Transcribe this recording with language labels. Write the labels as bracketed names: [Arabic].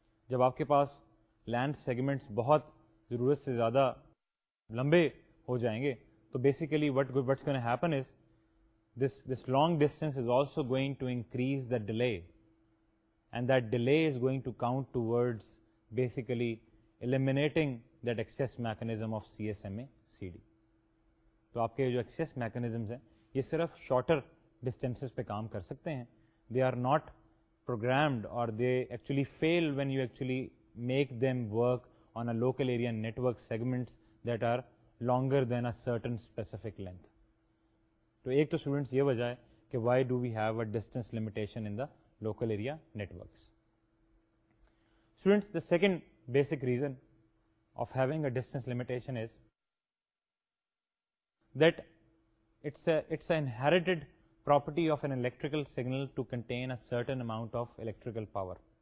[Urdu] جب آپ کے پاس لینڈ سیگمنٹس بہت ضرورت سے زیادہ لمبے ہو جائیں گے تو basically [English] what's going to happen is this long distance is also going to increase the delay and that delay is going to count towards basically eliminating that access mechanism of CSMA CD. [Urdu] تو آپ کے جو access mechanisms ہیں یہ صرف shorter distances پہ کام کر سکتے ہیں. [English] They are not programmed or they actually fail when you actually make them work on a local area network segments that are longer than a certain specific length. [Urdu] تو ایک تو اسٹوڈنٹس یہ وجہ ہے کہ [English] Why do we have a distance limitation in the local area networks. Students the second basic reason of having a distance limitation is that it's an inherited property of an electrical signal to contain a certain amount of electrical power.